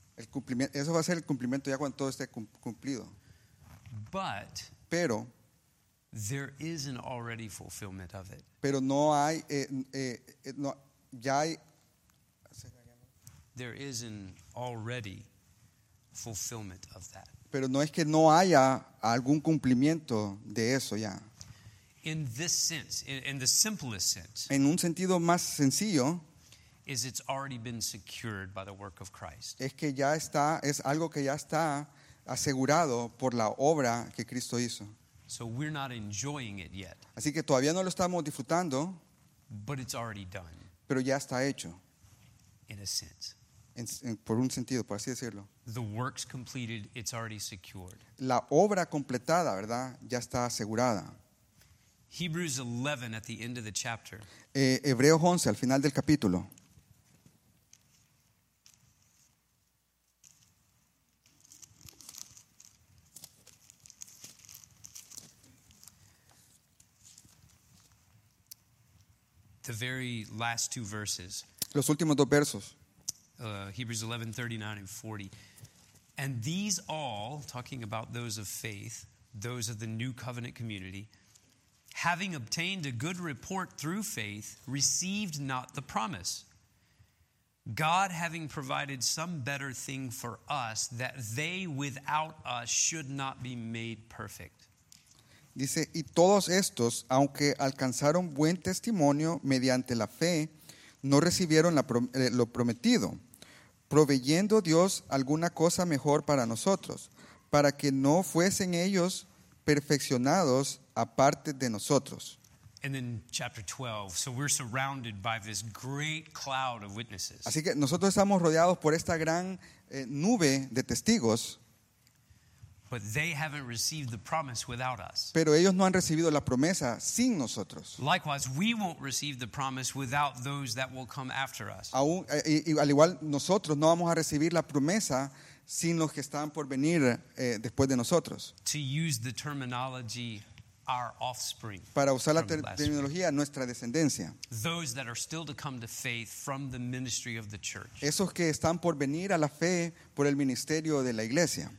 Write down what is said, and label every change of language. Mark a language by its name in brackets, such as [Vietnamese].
[Spanish] El cumplimiento, eso va a ser el cumplimiento ya cuando todo esté cumplido. [English] But. [Spanish] Pero. [English] There is an already fulfillment of it. [Spanish] Pero no hay, no, ya hay. [English] There is an already fulfillment of that. [Spanish] Pero no es que no haya algún cumplimiento de eso ya. [English] In this sense, in the simplest sense. [Spanish] En un sentido más sencillo. [English] Is it's already been secured by the work of Christ. [Spanish] Es que ya está, es algo que ya está asegurado por la obra que Cristo hizo. [English] So we're not enjoying it yet. [Spanish] Así que todavía no lo estamos disfrutando. [English] But it's already done. [Spanish] Pero ya está hecho. [English] In a sense. [Spanish] Por un sentido, por así decirlo. [English] The work's completed, it's already secured. [Spanish] La obra completada, ¿verdad? Ya está asegurada. [English] Hebrews 11 at the end of the chapter. [Spanish] Hebreos 11 al final del capítulo. [English] The very last two verses. [Spanish] Los últimos dos versos. [English] Hebrews 11, 39 and 40. And these all, talking about those of faith, those of the new covenant community, having obtained a good report through faith, received not the promise. God having provided some better thing for us, that they without us should not be made perfect. [Spanish] Dice, y todos estos, aunque alcanzaron buen testimonio mediante la fe, no recibieron lo prometido, proveyendo Dios alguna cosa mejor para nosotros, para que no fuesen ellos perfeccionados aparte de nosotros. [English] And then chapter 12, so we're surrounded by this great cloud of witnesses. [Spanish] Así que nosotros estamos rodeados por esta gran nube de testigos. [English] But they haven't received the promise without us. [Spanish] Pero ellos no han recibido la promesa sin nosotros. [English] Likewise, we won't receive the promise without those that will come after us. [Spanish] Aún, al igual, nosotros no vamos a recibir la promesa sin los que están por venir después de nosotros. [English] To use the terminology, our offspring. [Spanish] Para usar la terminología, nuestra descendencia. [English] Those that are still to come to faith from the ministry of the church. [Spanish] Esos que están por venir a la fe por el ministerio de la iglesia.